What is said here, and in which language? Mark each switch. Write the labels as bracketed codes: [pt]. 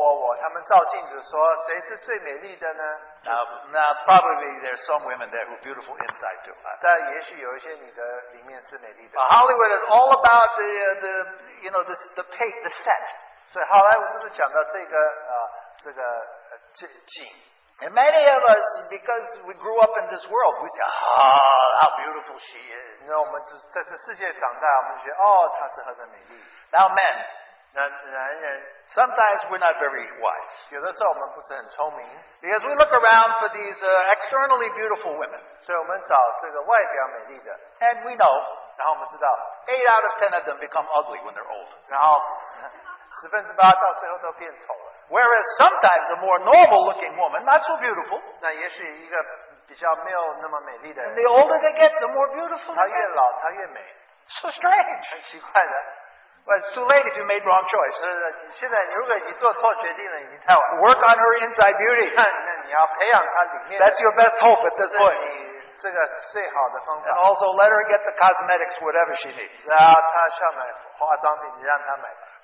[zh] 所以他们里面都是说我我我我，他们照镜子说谁是最美丽的呢？ [en] Now probably there's some women there who are beautiful inside too. [zh] 但也许有一些女的里面是美丽的。 [en] Hollywood is all about the you know the paint, the set. [zh] 所以好莱坞不是讲到这个这个景。 [en] And many of us, because we grew up in this world, we say, ah, how beautiful she is. [zh] 那我们在这世界长大，我们觉得哦，她是何等美丽。 [en] Now men. [zh] 男人, [en] sometimes we're not very wise. [zh] 有的时候我们不是很聪明, [en] because we look around for these externally beautiful women. [zh] 所以我们找这个外表美丽的, [en] and we know, [zh] 然后我们知道, [en] 8 out of 10 of them become ugly when they're old. [zh] 然后十分之八到最后都变丑了。 [en] Whereas sometimes a more normal looking woman, not so beautiful. [zh] 那也许一个比较没有那么美丽的, [en] and the older they get, the more beautiful they get. [zh] 她越老, 她越美, [en] so strange. [zh] 很奇怪的。 [en] But it's too late if you made wrong choice. [zh] 现在如果你做错决定了, [en] work on her inside beauty. [zh] 那你要培养她里面的, [en] that's your best hope at this point. [zh] 这个最好的方法, [en] and also let her get the cosmetics, whatever she needs. [zh] 然后她需要买化妆品, 你让她买吧。